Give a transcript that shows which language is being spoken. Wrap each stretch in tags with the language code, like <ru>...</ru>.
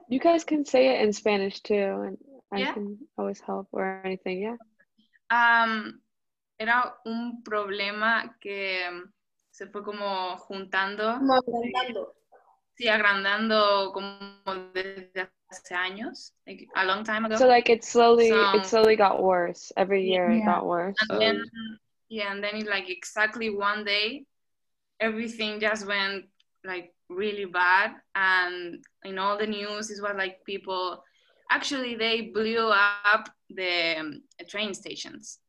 <en>You guys can say it in Spanish too, and yeah. I can always help or anything, yeah.</en> <es>Era un problema que se fue como juntando. Como agrandando. Sí, agrandando como desde hace años,</es> <en>like a long time ago. So like it slowly got worse. Every year it got worse. And then, and then it like exactly one day, everything just went like really bad, and in all the news is what like people actually they blew up the train stations.</en>